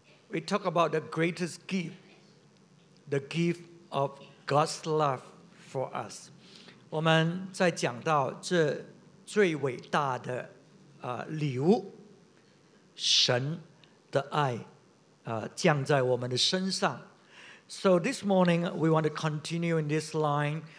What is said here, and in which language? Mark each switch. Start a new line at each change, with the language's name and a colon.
English: We talk about the greatest gift, the gift of God's love for us.
Chinese: 我们在讲到这最伟大的礼物，神的爱降在我们的身上。
English: So this morning, we want to continue in this line.